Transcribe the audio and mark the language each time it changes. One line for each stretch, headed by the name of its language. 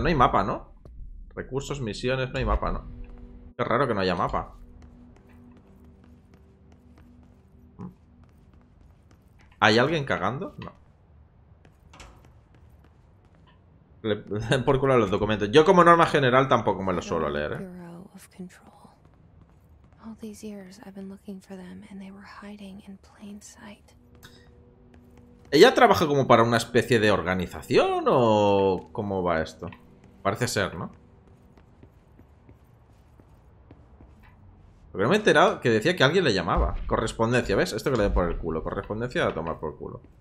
Spanish: No hay mapa, ¿no? Recursos, misiones, no hay mapa, ¿no? Qué raro que no haya mapa. ¿Hay alguien cagando? No. Le den por culo a los documentos. Yo como norma general tampoco me lo suelo leer, ¿eh?
English: All these years I've been looking for them and they were hiding in plain sight.
Spanish: ¿Ella trabaja como para una especie de organización o cómo va esto? Parece ser, ¿no? Pero me he enterado que decía que alguien le llamaba. Correspondencia, ¿ves? Esto que le den por el culo. Correspondencia a tomar por culo.